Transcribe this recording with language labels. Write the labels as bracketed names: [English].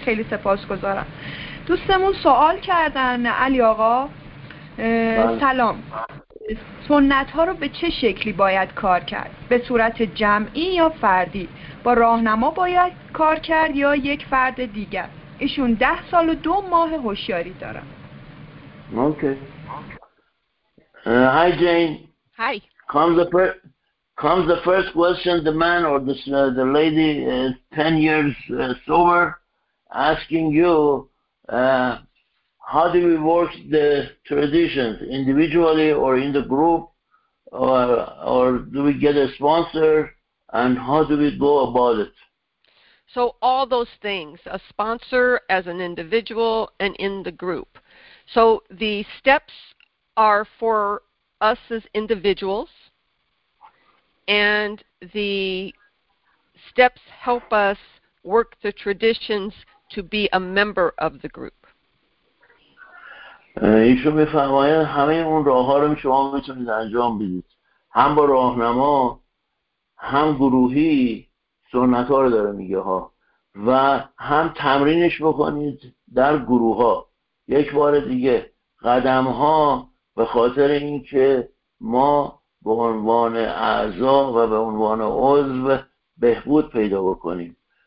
[Persian] خیلی سپاسگزارم. دوستمون سوال کردن علی آقا، سلام، سنت ها رو به چه شکلی باید کار کرد؟ به صورت جمعی یا فردی؟ با راهنما باید کار کرد یا یک فرد دیگر؟ ایشون 10 سال و 2 ماه هوشیاری دارن. [English] Hi Jane. Hi. Comes the first question, the man or the lady is 10 years sober asking you how do we work the traditions individually or in the group, or do we get a sponsor, and how do we go about it? So all those things, a sponsor as an individual and in the group. So the steps are for us as individuals, and the steps help us work the traditions to be a member of the group. [Persian] ایشون میفرماید همه اون راه ها رو شما میتونید انجام بدید، هم با راهنما هم گروهی سنت ها رو داره میگه ها، و هم تمرینش بکنید در گروه ها. یک بار دیگه قدم ها به خاطر اینکه ما به عنوان اعضا و به عنوان عضو بهبود پیدا بکنیم،